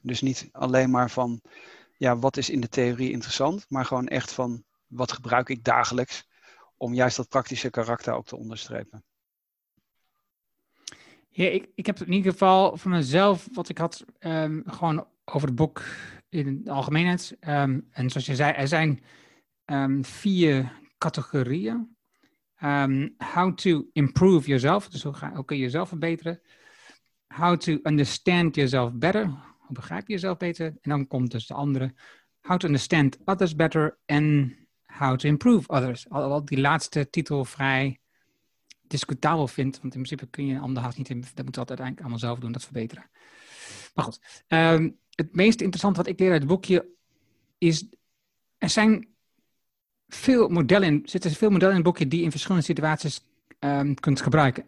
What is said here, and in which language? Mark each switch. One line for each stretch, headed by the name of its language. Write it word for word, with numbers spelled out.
Dutch: Dus niet alleen maar van ja, wat is in de theorie interessant, maar gewoon echt van wat gebruik ik dagelijks om juist dat praktische karakter ook te onderstrepen. Ja, ik, ik heb in ieder geval voor mezelf wat ik had um, gewoon over het boek in de algemeenheid. Um, en zoals je zei, er zijn um, vier... categorieën.
English: Um, how to improve yourself.
Dutch: Dus hoe, ga, hoe kun je jezelf verbeteren.
English: How to understand yourself better.
Dutch: Hoe begrijp je jezelf beter. En dan komt dus de andere.
English: How to understand others better. En how to improve others.
Dutch: Alhoewel die laatste titel vrij discutabel vindt. Want in principe kun je een ander haast niet... In, dat moet je altijd uiteindelijk allemaal zelf doen. Dat verbeteren. Maar goed. Um, het meest interessante wat ik leer uit het boekje... is... Er zijn... Veel modellen in, zitten veel modellen in het boekje die je in verschillende situaties um, kunt gebruiken.